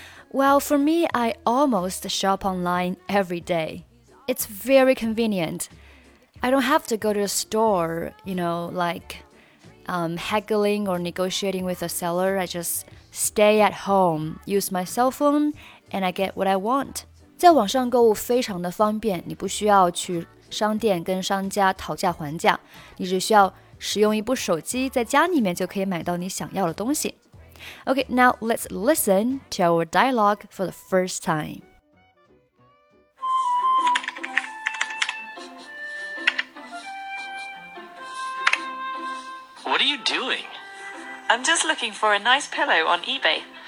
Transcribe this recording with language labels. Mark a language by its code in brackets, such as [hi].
[en] Well, for me, I almost shop online every day. It's very convenient. I don't have to go to a store, you know, like haggling or negotiating with a seller. I just stay at home, use my cell phone, and I get what I want. [zh] 在网上购物非常的方便，你不需要去商店跟商家讨价还价，你只需要使用一部手机，在家里面就可以买到你想要的东西。 [en] Okay, now let's listen to our dialogue for the first time. What are you doing? I'm just looking for a nice pillow on eBay.